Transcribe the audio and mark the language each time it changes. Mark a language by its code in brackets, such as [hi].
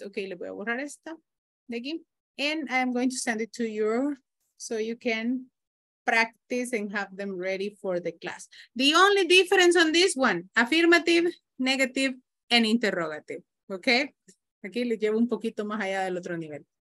[es] Okay, le voy a borrar esta de aquí. [en] And I'm going to send it to you so you can practice and have them ready for the class. The only difference on this one, affirmative, negative, and interrogative. Okay? [es] Aquí le llevo un poquito más allá del otro nivel.